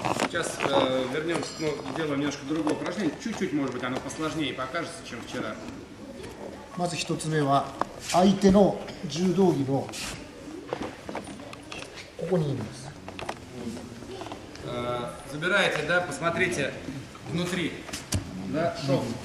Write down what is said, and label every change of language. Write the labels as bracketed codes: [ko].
[ru] Сейчас вернемся, ну, сделаем немножко другое упражнение. Чуть-чуть, может быть, оно посложнее покажется, чем вчера. [ja] Маза 1つ目は, 相手の 柔道着の, ここに入れます. [ru] Забираете, да, посмотрите, внутри, да, шов.